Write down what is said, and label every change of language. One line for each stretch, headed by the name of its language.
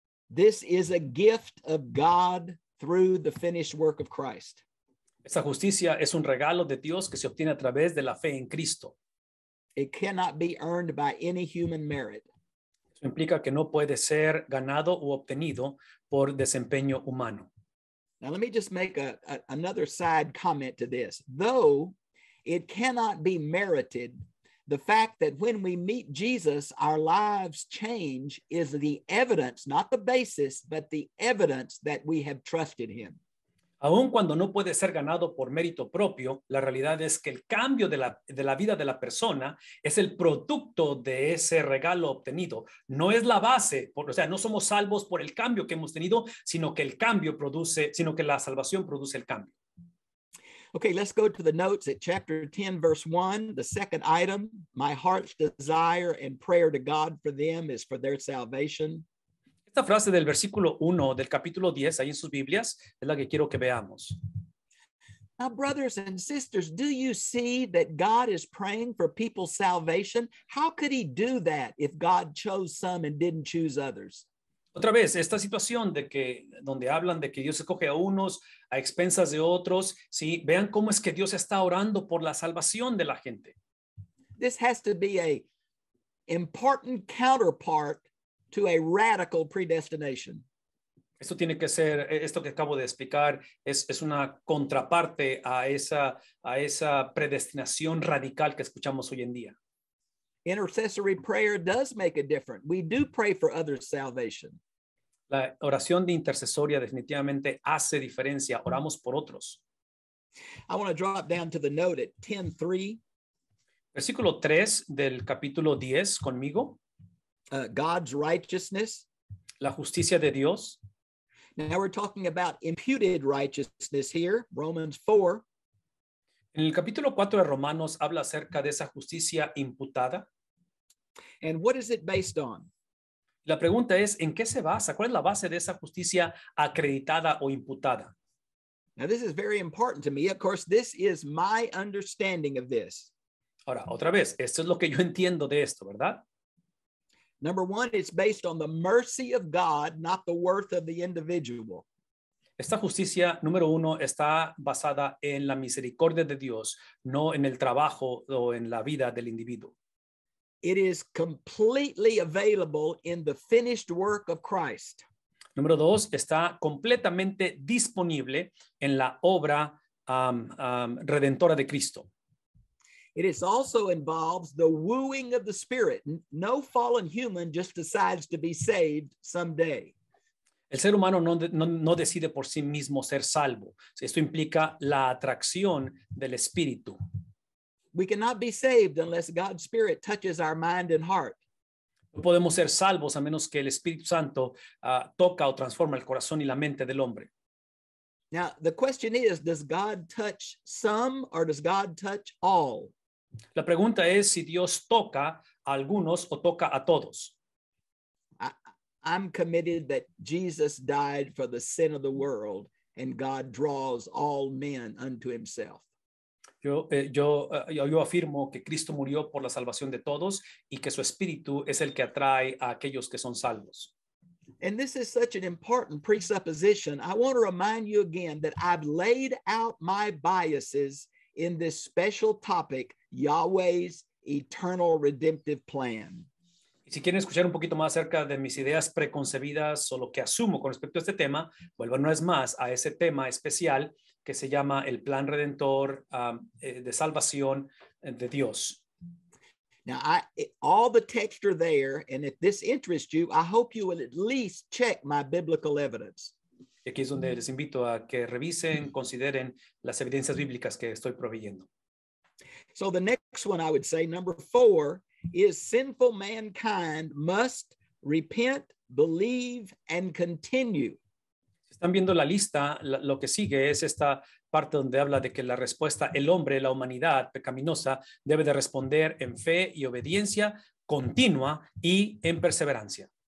English: This is a gift of God through the finished work of Christ.
Spanish: Esa justicia es un regalo de Dios que se obtiene a través de la fe en Cristo.
English: It cannot be earned by any human merit.
Spanish: Eso implica que no puede ser ganado u obtenido por desempeño humano.
English: Now let me just make another side comment to this. Though it cannot be merited, the fact that when we meet Jesus, our lives change is the evidence, not the basis, but the evidence that we have trusted him.
Spanish: Aun cuando no puede ser ganado por mérito propio, la realidad es que el cambio de la vida de la persona es el producto de ese regalo obtenido. No es la base, no somos salvos por el cambio que hemos tenido, sino que la salvación produce el cambio.
English: Okay, let's go to the notes at chapter 10, verse 1. The second item, my heart's desire and prayer to God for them is for their salvation.
Spanish: Esta frase del versículo 1 del capítulo 10, ahí en sus Biblias, es la que quiero que veamos.
English: Now, brothers and sisters, do you see that God is praying for people's salvation? How could he do that if God chose some and didn't choose others?
Spanish: Otra vez, esta situación donde hablan de que Dios escoge a unos a expensas de otros, ¿sí? Vean cómo es que Dios está orando por la salvación de la gente.
English: This has to be a important counterpart to a radical predestination.
Spanish: Esto tiene que ser, esto que acabo de explicar, es una contraparte a esa predestinación radical que escuchamos hoy en día.
English: Intercessory prayer does make a difference. We do pray for others' salvation.
Spanish: La oración de intercesoria definitivamente hace diferencia. Oramos por otros.
English: I want to drop down to the note at 10:3.
Spanish: Versículo 3 del capítulo 10 conmigo.
English: God's righteousness.
Spanish: La justicia de Dios.
English: Now we're talking about imputed righteousness here, Romans 4.
Spanish: En el capítulo 4 de Romanos habla acerca de esa justicia imputada.
English: And what is it based on?
Spanish: La pregunta es, ¿en qué se basa? ¿Cuál es la base de esa justicia acreditada o imputada?
English: Now this is very important to me. Of course, this is my understanding of this.
Spanish: Ahora, otra vez, esto es lo que yo entiendo de esto, ¿verdad?
English: Number one, it's based on the mercy of God, not the worth of the individual.
Spanish: Esta justicia, número uno, está basada en la misericordia de Dios, no en el trabajo o en la vida del individuo.
English: It is completely available in the finished work of Christ.
Spanish: Número dos, está completamente disponible en la obra redentora de Cristo.
English: It is also involves the wooing of the Spirit. No fallen human just decides to be saved someday.
Spanish: El ser humano no decide por sí mismo ser salvo. Esto implica la atracción del Espíritu.
English: We cannot be saved unless God's Spirit touches our mind and heart.
Spanish: No podemos ser salvos a menos que el Espíritu Santo toca o transforma el corazón y la mente del hombre.
English: Now, the question is, does God touch some or does God touch all?
Spanish: La pregunta es si Dios toca a algunos o toca a todos.
English: I'm committed that Jesus died for the sin of the world and God draws all men unto himself.
Spanish: Yo afirmo que Cristo murió por la salvación de todos y que su Espíritu es el que atrae a aquellos que son salvos.
English: And this is such an important presupposition. I want to remind you again that I've laid out my biases in this special topic, Yahweh's eternal redemptive plan.
Spanish: Si quieren escuchar un poquito más acerca de mis ideas preconcebidas o lo que asumo con respecto a este tema, vuelvan una vez más a ese tema especial que se llama el plan redentor de salvación de Dios.
English: Now, all the texts are there, and if this interests you, I hope you will at least check my biblical evidence.
Spanish: Y aquí es donde les invito a que revisen, consideren las evidencias bíblicas que estoy proveyendo.
English: So the next one I would say, number four, is sinful mankind must repent, believe, and continue.
Spanish: Están viendo la lista, lo que sigue es esta parte donde habla de que la respuesta, el hombre, la humanidad pecaminosa, debe de responder en fe y obediencia continua y en perseverancia.